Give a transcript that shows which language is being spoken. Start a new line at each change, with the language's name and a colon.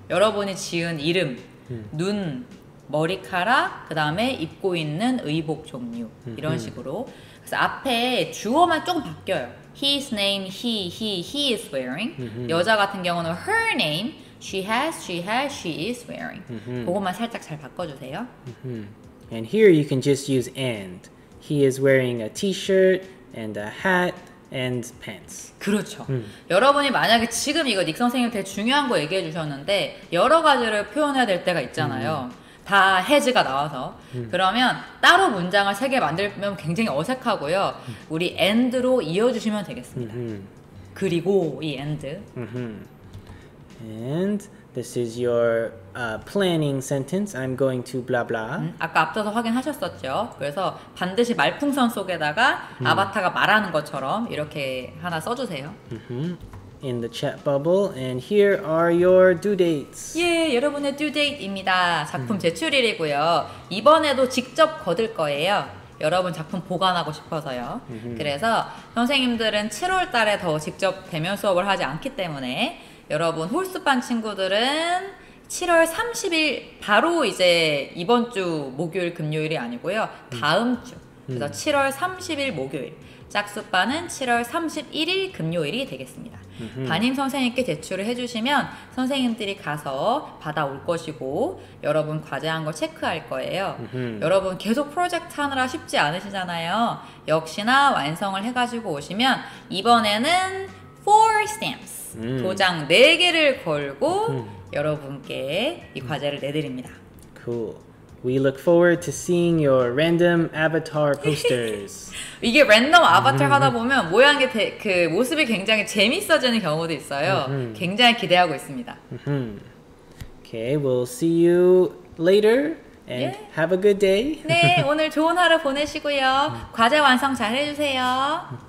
Korean: 여러분이 지은 이름, 눈, 머리카락, 그 다음에 입고 있는 의복 종류 이런 식으로. 그래서 앞에 주어만 조금 바뀌어요.
English: His name, he is wearing.
Korean: 여자 같은 경우는
English: her name, she is wearing.
Korean: 그것만 살짝 잘 바꿔주세요.
English: And here you can just use and. He is wearing a t-shirt and a hat and pants.
Korean: 그렇죠. 여러분이 만약에 지금 이거 닉 선생님한테 중요한 거 얘기해 주셨는데 여러 가지를 표현해야 될 때가 있잖아요. 다 has가 나와서 그러면 따로 문장을 세 개 만들면 굉장히 어색하고요. 우리 and로 이어주시면 되겠습니다. 그리고 이 and.
English: And this is your planning sentence. I'm going to blah blah.
Korean: 아까 앞서서 확인하셨었죠. 그래서 반드시 말풍선 속에다가 아바타가 말하는 것처럼 이렇게 하나 써주세요.
English: In the chat bubble, and here are your due dates.
Korean: 예, 여러분의 due date입니다. 작품 제출일이고요. 이번에도 직접 거둘 거예요. 여러분 작품 보관하고 싶어서요. 그래서 선생님들은 7월 달에 더 직접 대면 수업을 하지 않기 때문에 여러분 홀수반 친구들은 7월 30일 바로 이제 이번 주 목요일 금요일이 아니고요. 다음 주. 그래서 7월 30일 목요일. 짝수반은 7월 31일 금요일이 되겠습니다. 담임 선생님께 제출을 해주시면 선생님들이 가서 받아올 것이고 여러분 과제한 거 체크할 거예요. 여러분 계속 프로젝트 하느라 쉽지 않으시잖아요. 역시나 완성을 해가지고 오시면 이번에는 4 stamps 도장 4개를 걸고 여러분께 이 과제를 내드립니다.
English: Cool. We look forward to seeing your random avatar posters.
Korean: 이게 랜덤 아바타 하다 보면 모양이 그 모습이 굉장히 재밌어지는 경우도 있어요. 굉장히 기대하고 있습니다.
English: Okay, we'll see you later and have a good day.
Korean: 네, 오늘 좋은 하루 보내시고요. 과제 완성 잘 해주세요.